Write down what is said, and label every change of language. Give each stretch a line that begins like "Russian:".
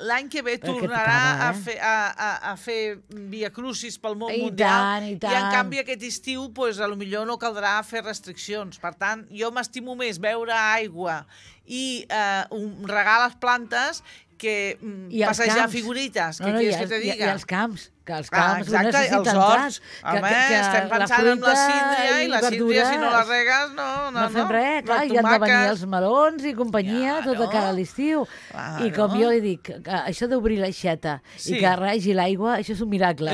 Catalan: L'any que ve tornarà a fer viacrucis pel món mundial. I en canvi aquest estiu, potser no caldrà fer restriccions. Per tant, jo m'estimo més beure aigua i regar les plantes que passejar figurites. Què
Spanish: quieres que te diga?
Catalan: I els camps. Que els camps ho necessiten tant. Estem pensant en la síndria i la síndria, si no la regues, no. No fem res, clar, hi han de venir els melons i companyia, tot de cara a l'estiu. I com jo li dic, això d'obrir l'aixeta i que regi l'aigua, això és un miracle.